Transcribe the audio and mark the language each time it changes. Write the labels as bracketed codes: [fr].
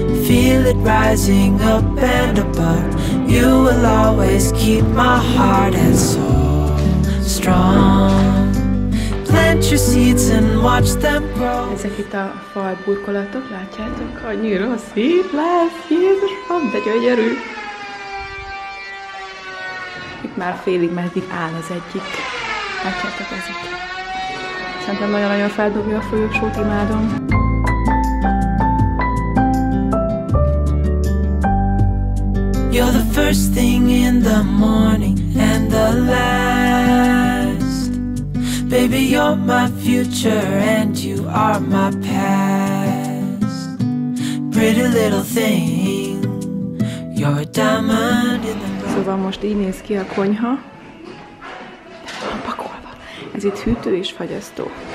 [en] Feel it rising up and above. You will always keep my heart and soul strong. Plant your seeds and watch them grow. [hu] Ezek itt a fal burkolatok, látjátok? Annyira szép lesz, Jézusom, de gyönyörű! Itt már félig, meddig áll az egyik. Látjátok ezek? Szerintem nagyon-nagyon feldobja a folyosót, imádom. [en] You're the first thing in the morning and the last. Baby, you're my future and you are my past. Pretty little thing, you're a diamond in the rough. [hu] Szóval most így néz ki a konyha. Van pakolva. Ez itt hűtő és fagyasztó.